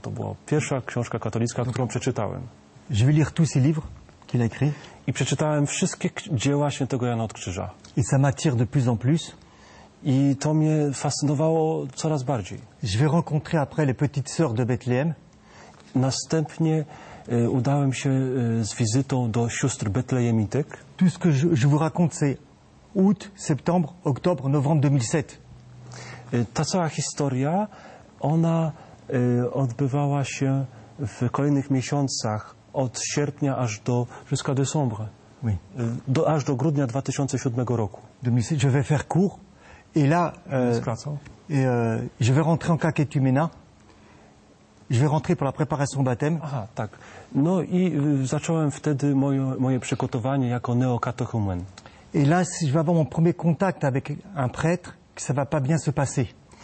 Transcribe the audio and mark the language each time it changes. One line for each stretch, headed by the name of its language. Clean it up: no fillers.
Polish: To była pierwsza książka katolicka, którą przeczytałem.
French: Je vais lire tous ses livres qu'il a écrit.
Polish: I przeczytałem wszystkie dzieła świętego Jana od Krzyża.
French: Et ça m'attire de plus en plus.
Polish: I to mnie fascynowało coraz bardziej.
French: Je vais rencontrer après les petites sœurs de Bethléem.
Polish: Następnie udałem się z wizytą do sióstr betlejemitek.
French: Tout ce que je vous raconte, c'est août, septembre, octobre, novembre 2007.
Polish: Ta cała historia, ona odbywała się w kolejnych miesiącach, od sierpnia aż do
French: jusqu'à décembre, oui.
Polish: Aż do grudnia 2007 roku.
French: 2007, je vais faire court, et là, je vais rentrer en catéchumène. Je vais rentrer pour la préparation baptême.
Polish: Aha, tak. No i zacząłem wtedy moje przygotowanie jako neokatechumen.
French: Et là, je vais avoir mon premier contact avec un prêtre. Que ça va pas bien se passer.